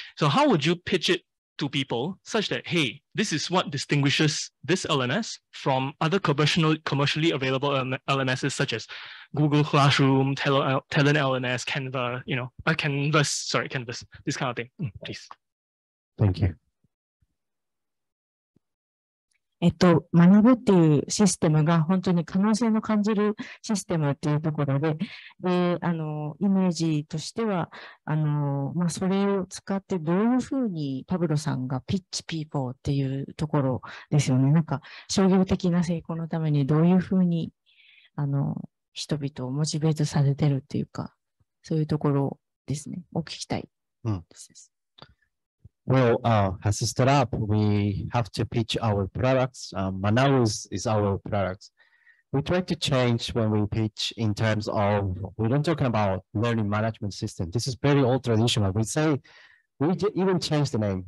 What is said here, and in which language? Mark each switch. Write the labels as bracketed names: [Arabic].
[English] So how would you pitch it to people such that, hey, this is what distinguishes this LMS from other commercially available LMSs such as Google Classroom, Talent LMS, Canva, Canvas, this kind of thing, please. Thank you. [Japanese] マナブっていうシステムが本当に可能性の感じるシステムっていうところで、で、イメージとしては、まあ、それを使ってどういうふうにパブロさんがピッチピーポーっていうところですよね。なんか、商業的な成功のためにどういうふうに、人々をモチベートさせてるっていうか、そういうところですね。お聞きたい。うん。 [English] Well, as a startup, we have to pitch our products. Manabu is our product. We try to change when we pitch in terms of, we're not talking about learning management system. This is very old traditional. We say, we even change the name.